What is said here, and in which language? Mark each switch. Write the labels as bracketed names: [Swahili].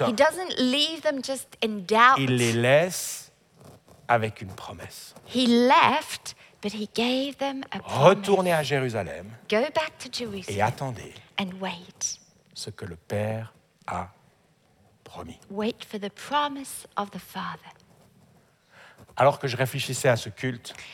[English] He doesn't leave them just in doubt. [French] Il les laisse avec une promesse. [English] He left, but he gave them a promise. [French] Retournez à Jérusalem. [English] Go back to Jerusalem. [French] Et attendez. [English] And wait. [French] Ce que le Père a promis. [English] Wait for the promise of the Father. [French] Alors que je réfléchissais à ce culte,